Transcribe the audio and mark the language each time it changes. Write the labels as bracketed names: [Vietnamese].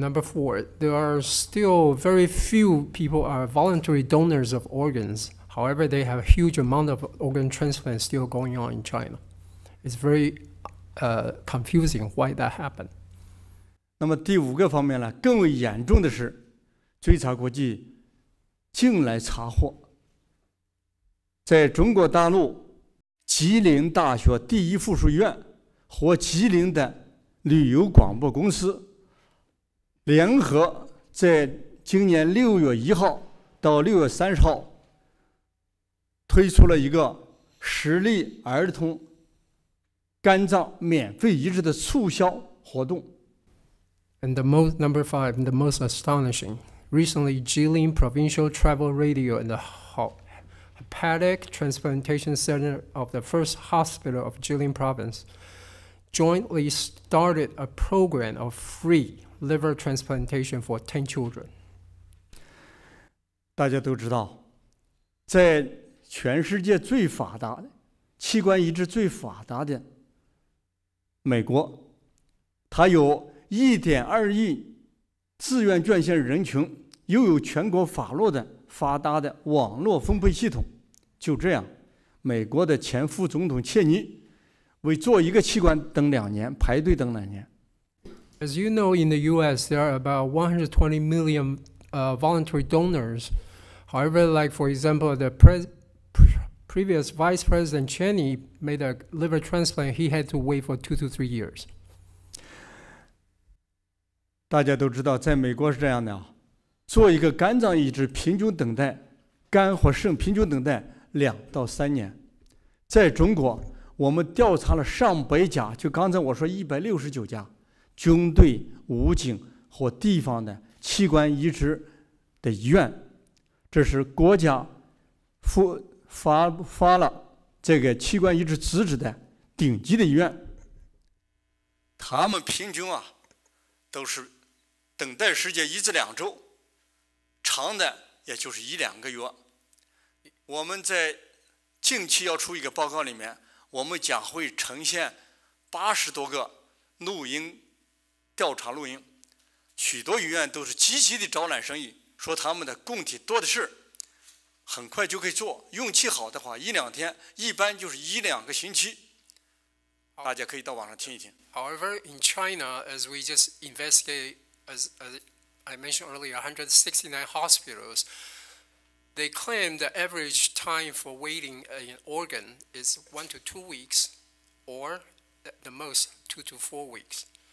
[English] number four, there are still very few people are voluntary donors of organs. However, they have a huge amount of organ transplants still going on in China. It's very confusing why that happened. [Chinese] 那么第五个方面呢，更为严重的是，追查国际竟来查获，在中国大陆。吉林大学第一附属医院和吉林的旅游广播公司联合在今年6月1号到6月30号推出了一个实例儿童肝脏免费移植的促销活动。 [English] And the most, number five, and the most astonishing, recently Jilin Provincial Travel Radio and the Hepatic Transplantation Center of the first hospital of Jilin Province jointly started a program of free liver transplantation for 10 children. [Chinese] 大家都知道，在全世界最发达的器官移植最发达的美国，它有1.2亿自愿捐献人群，又有全国法律的发达的网络分配系统。就这样，美国的前副总统切尼为做一个器官等两年，排队等两年。 [English] As you know, in the U.S., there are about 120 million voluntary donors. However, like for example, the previous Vice President Cheney made a liver transplant. He had to wait for 2 to 3 years. [Chinese] 大家都知道，在美国是这样的，做一个肝脏移植，平均等待肝或肾平均等待2到3年。在中国，我们调查了上百家，就刚才我说169家，军队、武警或地方的器官移植的医院，这是国家发了这个器官移植资质的顶级的医院，他们平均啊都是等待时间1至2周，长的也就是1-2个月。我们在近期要出一个报告里面，我们将会呈现80多个录音调查录音，许多医院都是积极的招揽生意，说他们的供体多的是，很快就可以做，运气好的话1-2天，一般就是1-2个星期。大家可以到网上听一听。 [English] However, in China, as we just investigate, as I mentioned earlier, 169 hospitals, they claim the average time for waiting an organ is 1 to 2 weeks, or the most 2 to 4 weeks.